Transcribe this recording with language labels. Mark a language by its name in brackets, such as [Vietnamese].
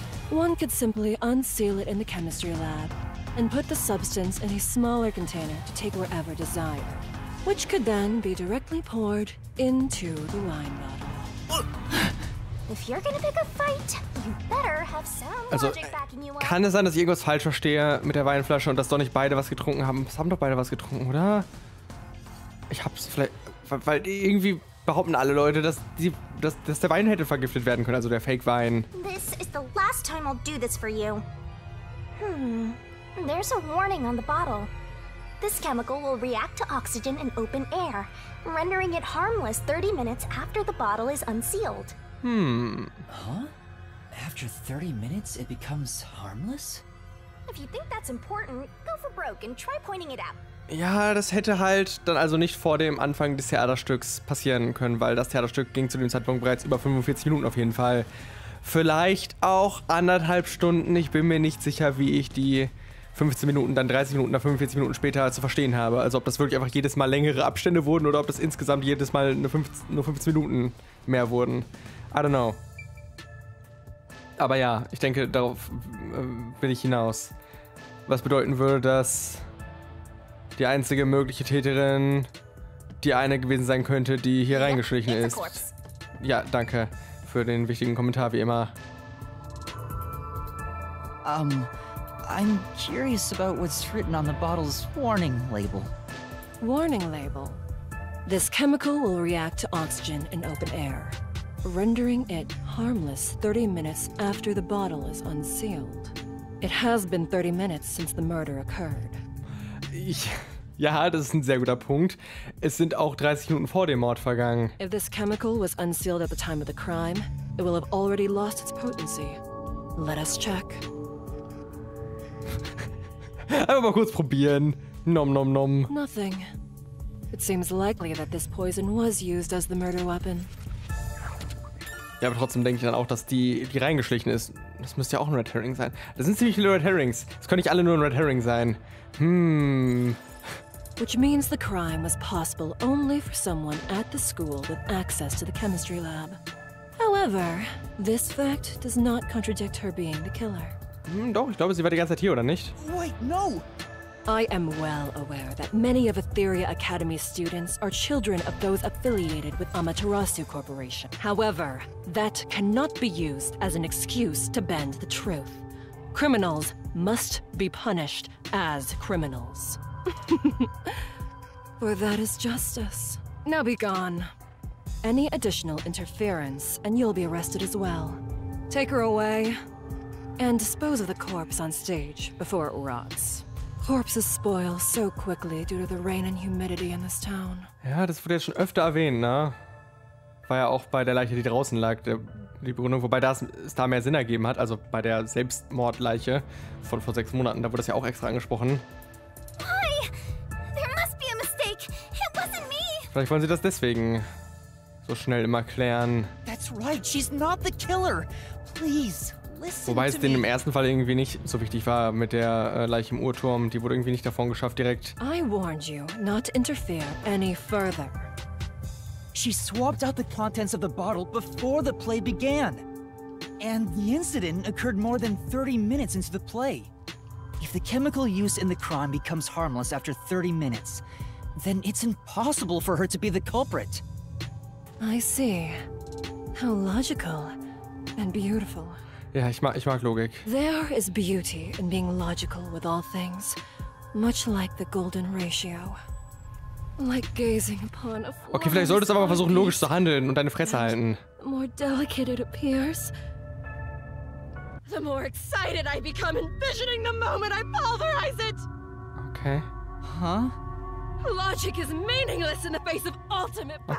[English] One could simply unseal it in the chemistry lab and put the substance in a smaller container to take wherever desired. which could then be directly poured into the wine bottle. If you're gonna pick a fight, you better have some also, logic backing you up. [German] Kann es sein, dass ich irgendwas falsch verstehe mit der Weinflasche und dass doch nicht beide was getrunken haben? Es haben doch beide was getrunken, oder? Ich hab's vielleicht... Weil irgendwie behaupten alle Leute, dass der Wein hätte vergiftet werden können, also der Fake-Wein. [English] This is the last time I'll do this for you. There's a warning on the bottle. This chemical will react to oxygen in open air, rendering it harmless 30 minutes after the bottle is unsealed. Huh? After 30 minutes, it becomes harmless? If you think that's important, go for broke and try pointing it out. [German] Ja, das hätte halt dann also nicht vor dem Anfang des Theaterstücks passieren können, weil das Theaterstück ging zu dem Zeitpunkt bereits über 45 Minuten auf jeden Fall. Vielleicht auch anderthalb Stunden, ich bin mir nicht sicher, wie ich die 15 Minuten, dann 30 Minuten, dann 45 Minuten später zu verstehen habe. Also ob das wirklich einfach jedes Mal längere Abstände wurden oder ob das insgesamt jedes Mal nur 15 Minuten mehr wurden. I don't know. Aber ja, ich denke, darauf bin ich hinaus. Was bedeuten würde, dass die einzige mögliche Täterin die eine gewesen sein könnte, die hier reingeschlichen ist. Ja, danke für den wichtigen Kommentar, wie immer. [English] I'm curious about what's written on the bottle's warning label. Warning label? This chemical will react to oxygen in open air, rendering it harmless 30 minutes after the bottle is unsealed. It has been 30 minutes since the murder occurred. [German] Ja, das ist ein sehr guter Punkt. Es sind auch 30 Minuten vor dem Mord vergangen. [English] If this chemical was unsealed at the time of the crime, it will have already lost its potency. Let us check. Einfach mal kurz probieren. Nom nom nom. Nothing. It seems likely that this poison was used as the murder weapon. [German] Ja, aber trotzdem denke ich dann auch, dass die reingeschlichen ist. Das müsste ja auch ein Red Herring sein. Das sind ziemlich viele Red Herrings. Das können nicht alle nur ein Red Herring sein. [English] Which means the crime was possible only for someone at the school with access to the chemistry lab. However, this fact does not contradict her being the killer. [German] Doch, ich glaube, sie war die ganze Zeit hier, oder nicht? [English] Wait, no! I am well aware that many of Etheria Academy's students are children of those affiliated with Amaterasu Corporation. However, that cannot be used as an excuse to bend the truth. Criminals must be punished as criminals. For that is justice. Now be gone. Any additional interference, and you'll be arrested as well. Take her away. And dispose of the corpse on stage before it rots. Corpses spoil so quickly due to the rain and humidity in this town. [German] Ja, das wurde ja schon öfter erwähnt, ne? War ja auch bei der Leiche, die draußen lag, die Begründung, wobei es da mehr Sinn ergeben hat, also bei der Selbstmordleiche von vor 6 Monaten, da wurde das ja auch extra angesprochen. [English] Hi! There must be a mistake! It wasn't me! [German] Vielleicht wollen sie das deswegen so schnell immer klären. [English] That's right, she's not the killer! Please! [German] Wobei es denen im ersten Fall irgendwie nicht so wichtig war mit der Leiche im Uhrturm. Die wurde irgendwie nicht davon geschafft, direkt. [English] I warned you not to interfere any further. She swapped out the contents of the bottle before the play began. And the incident occurred more than 30 minutes into the play. If the chemical used in the crime becomes harmless after 30 minutes, then it's impossible for her to be the culprit. I see. How logical and beautiful. [German] Ja, ich mag Logik. [English] There is beauty in being logical with all things, much like the golden ratio. Like gazing upon a flower. [German] Okay, vielleicht solltest du aber mal versuchen, logisch zu handeln und deine Fresse halten. [English] The more delicate it appears, the more excited I become envisioning the moment I pulverize it. Okay. Huh? Logic is meaningless in the face of ultimate power.